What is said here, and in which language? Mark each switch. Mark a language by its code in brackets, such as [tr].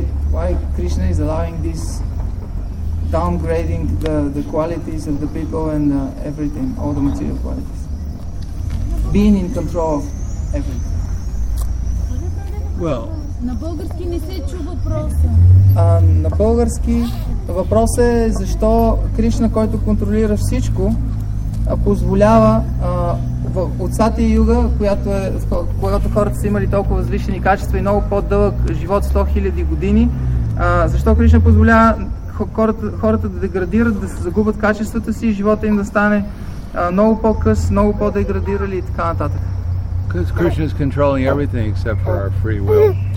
[en] Why Krishna is allowing this downgrading the qualities of the people and everything, all the material qualities? Being in control of everything. Well, [bg] на български не се чу въпроса. На български въпросът е защо Кришна, който контролира всичко, позволява от Сатия Юга, която хората са имали толкова възвишени качества и много по-дълъг живот, 100 000 години, защо Кришна позволява хората да деградират, да се загубят качествата си и живота им да стане много по-къс, много по-деградирали и така нататък. [en] Because Krishna is controlling everything except for our free will.